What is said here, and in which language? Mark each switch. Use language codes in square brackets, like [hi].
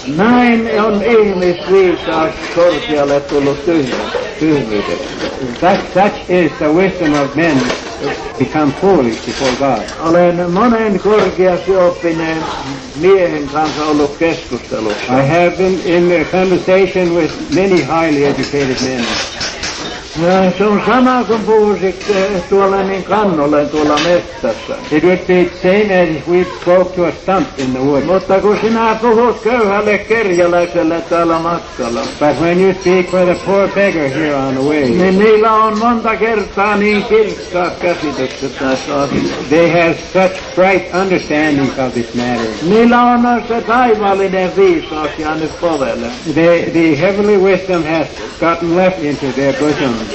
[fi] Näin on ihmisviisaus korkealle tullut tyhmyyteen. [en] Such is the wisdom of men become foolish before God. [fi] Olen monen korkeasti oppineen miehen kanssa ollut keskustelussa. [en] I have been in a conversation with many highly educated men. [fi] Se on sama kuin puhuisit tuolla niin kannolle tuolla metsässä. [en] It would be the same as if we spoke to a stump in the woods. [fi] Mutta kun sinä puhut köyhälle kerjäläiselle täällä matkalla. [en] But when you speak for the poor beggar here on the way. [fi] Niin niillä on monta kertaa niin kirkkaat käsitykset näissä asioissa. [en] They have such bright understanding of this matter. [fi] Niillä on se taivaallinen viisaus jäänyt povelle. [en] The heavenly wisdom has gotten left into their bosom.